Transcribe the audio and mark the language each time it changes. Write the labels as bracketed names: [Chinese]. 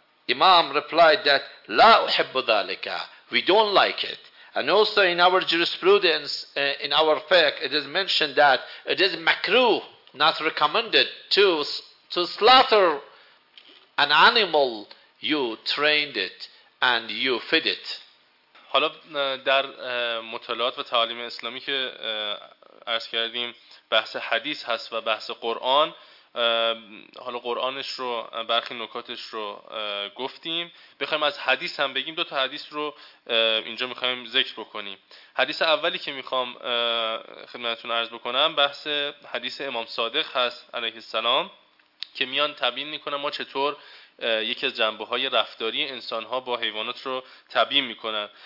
[English] Imam replied that [Arabic] لا أحب ذلك. [English] We don't like it. And also in our jurisprudence, in our fiqh, it is mentioned that it is makruh, not recommended, to slaughter an animal you trained it and you fed it. [Persian] حالا در مطالعات و تعالیم اسلامی که عرض کردیم، بحث حدیث هست و بحث قرآن. حالا قرآنش رو، برخی نکاتش رو گفتیم، بخوایم از حدیث هم بگیم. دو تا حدیث رو اینجا میخوایم ذکر بکنیم. حدیث اولی که میخوام خدمتتون عرض بکنم، بحث حدیث امام صادق هست علیه السلام، که میان تبیین میکنن ما چطور یکی از جنبه های رفتاری انسان ها با حیوانات رو تبیین میکنن.